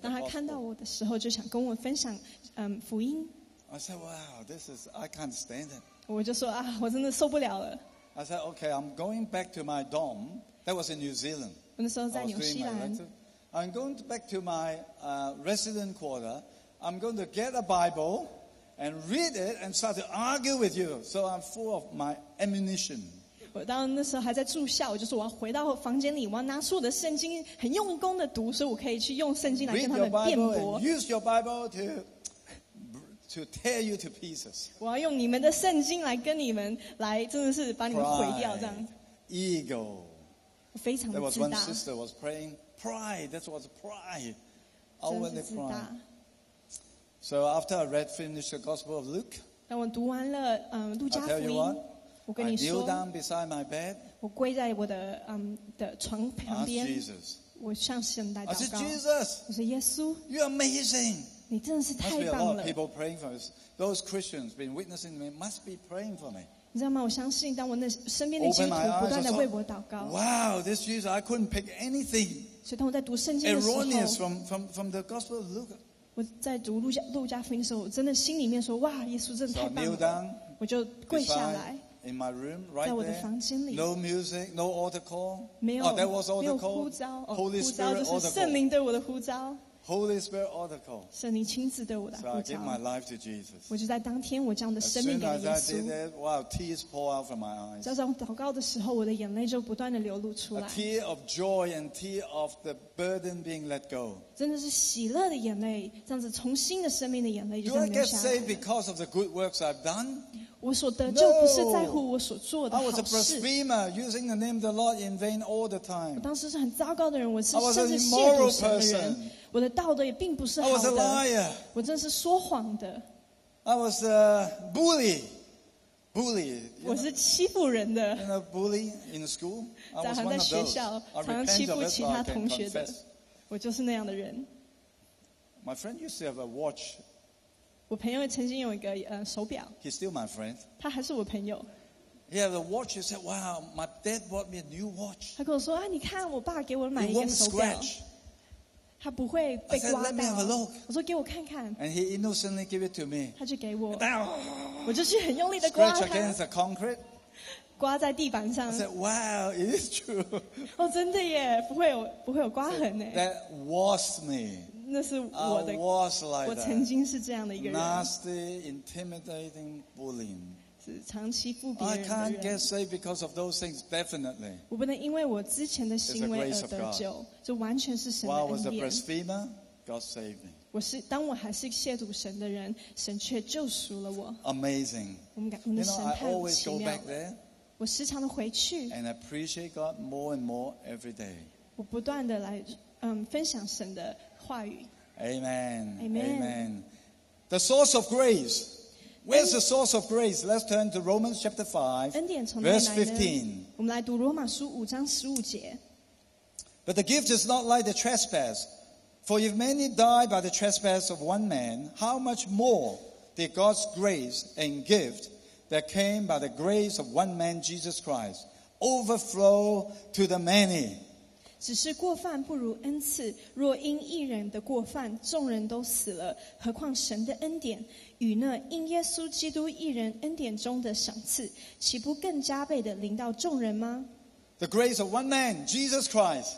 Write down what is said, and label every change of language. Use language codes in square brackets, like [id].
[zh] 当他看到我的时候，就想跟我分享，福音。 [en] I said, "Wow, this is I can't stand it." [zh] 我就说啊，我真的受不了了。 [en] I said, "Okay, I'm going back to my dorm. That was in New Zealand." [zh] 我那时候在纽西兰。 [en] I'm going back to my resident quarter. I'm going to get a Bible, and read it and start to argue with you. So I'm full of my ammunition. [zh] 我当那时候还在住校，我就说我要回到房间里，我要拿出我的圣经，很用功的读，所以我可以去用圣经来跟他们辩驳。 [en] Use your Bible to tear you to pieces. [zh] 我要用你们的圣经来跟你们来，真的是把你们毁掉这样。 [en] Pride, ego. [zh] 我非常的自大。 [en] There was one sister was praying. Pride. That was pride. Overly pride. So after I read finished the Gospel of Luke. [zh] 当我读完了路加福音。 [en] I'll tell you what. [zh] 我跟你说 [en] I kneel down beside my bed. [zh] 我跪在我的的床旁边。 [en] Ask Jesus. [zh] 我向神来祷告。 [en] I said Jesus. [zh] 我说耶稣。 [en] You're amazing. [zh] 你真的是太棒了。 [en] Must be a lot of people praying for me. Those Christians been witnessing me must be praying for me. [zh] 你知道吗？我相信，当我那身边的基督徒不断的为我祷告。 [en] Wow, this Jesus, I couldn't pick anything. [zh] 所以当我在读圣经的时候 [en] ，erroneous from the Gospel of Luke. [zh] 我在读路加福音的时候，我真的心里面说，哇，耶稣真的太棒了。 [en] So I kneel down. [zh] 我就跪下来。 [en] In my room, right there. [zh] 在我的房间里。 [en] No music, no altar call. [zh] 没有。 [en] Oh, that was altar call. [zh] 没有呼召。 [en] Holy Spirit altar call. [zh] 就是圣灵对我的呼召。 [en] Holy Spirit altar call. [zh] 圣灵亲自对我的呼召。 [en] So I gave my life to Jesus. [zh] 我就在当天，我将我的生命给耶稣。 [en] As soon as I did that, wow, tears pour out from my eyes. [zh] 在我祷告的时候，我的眼泪就不断的流露出来。 [en] A tear of joy and tear of the burden being let go. [zh] 真的是喜乐的眼泪，这样子重新的生命的眼泪就流下来。 [en] Do I get saved because of the good works I've done? [zh] 我所得就不是在乎我所做的好事。 [en] No, I was a blasphemer, using the name of the Lord in vain all the time. [zh] 我当时是很糟糕的人，我是甚至亵渎神的人。 [en] I was an immoral person. [zh] 我的道德也并不是好的。 [en] I was a liar. [zh] 我真的是说谎的。 [en] I was a bully. Bully. [zh] 我是欺负人的。 [en] You know, bully in school. [zh] 常常在学校，常常欺负其他同学的。我就是那样的人。 [en] My friend used to have a watch. [zh] 我朋友曾经有一个手表。 [en] He's still my friend. [zh] 他还是我朋友。 [en] Yeah, the watch. He said, "Wow, my dad bought me a new watch." [zh] 他跟我说啊，你看我爸给我买一个手表。 [en] It won't scratch. [zh] 他不会被刮到。 [en] I said, "Let me have a look." [zh] 我说给我看看。 [en] And he innocently gave it to me. [zh] 他就给我。 [en] Bam! [zh] 我就去很用力的刮它。 [en] Scratch against the concrete. [zh] 刮在地板上。 [en] I said, "Wow, it is true." [zh] 哦，真的耶，不会有刮痕耶。 [en] That was me. [zh] 那是我的 [en] I was like that. [zh] 我曾经是这样的一个人 [en] Nasty, intimidating, bullying [zh] 是常欺负别人的人 [en] I can't get saved because of those things, definitely [zh] 我不能因为我之前的行为而得救这完全是神的恩典 [en] While I was a blasphemer, God saved me [zh] 我是当我还是亵渎神的人神却救赎了我 [en] Amazing [zh] 我们的神太奇妙了 [en] You know, I always go back there [zh] 我时常的回去 [en] And appreciate God more and more every day [zh] 我不断的来分享神的 [en] Amen. Amen. Amen. The source of grace. Where's the source of grace? Let's turn to Romans chapter 5, verse 15. [zh] 我们来读罗马书五章十五节。 [en] But the gift is not like the trespass. For if many die by the trespass of one man, how much more did God's grace and gift that came by the grace of one man, Jesus Christ, overflow to the many? [zh] 只是过犯不如恩赐若因一人的过犯众人都死了何况神的恩典与那因耶稣基督一人恩典中的赏赐岂不更加倍的临到众人吗 [en] The grace of one man, Jesus Christ